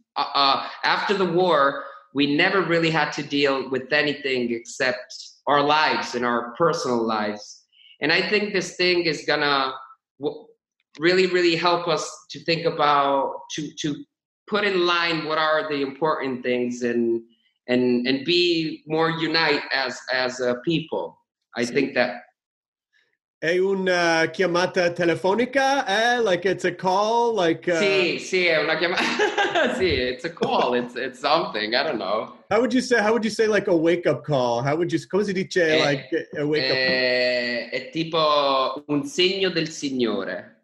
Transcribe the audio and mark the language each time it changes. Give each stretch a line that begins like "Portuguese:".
English: After the war, we never really had to deal with anything except our lives and our personal lives. And I think this thing is gonna really, really help us to think about, to put in line what are the important things and be more unite as a people. I think that.
Italian: È una chiamata telefonica?
English: Like it's a call?
Italian: Sì, è una chiamata. Sì,
English: it's a call. It's something. I don't know. How would you say like a wake up call? How would you,
Italian: cosa dice
English: like a wake up call?
Italian: È tipo un segno del Signore.